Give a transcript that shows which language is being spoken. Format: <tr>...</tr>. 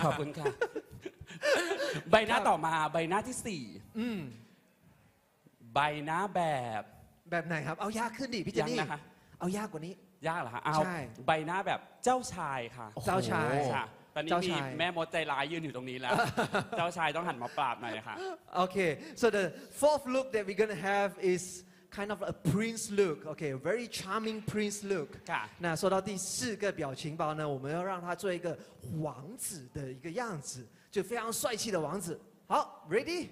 <th>ขอบคุณค่ะใบหน้าต่อมาใบหน้าที่4ใบหน้าแบบ ไหนครับเอายากขึ้นดิพี่เจนี่ เอายากกว่านี้ยากเหรอฮะเอาใบหน้าแบบเจ้าชายค่ะ เจ้าชาย ตอนนี้มีแม่มดใจร้ายยืนอยู่ตรงนี้แล้วเจ้าชายต้องหันมาปราบหน่อยค่ะ</th> <en>โอเค so the fourth look that we're gonna have is kind of a prince look okay very charming prince look</en> <th>ค่ะ</th> <zh>นะ说到第四个表情包呢我们要让他做一个王子的一个样子就非常帅气的王子好 ready</zh>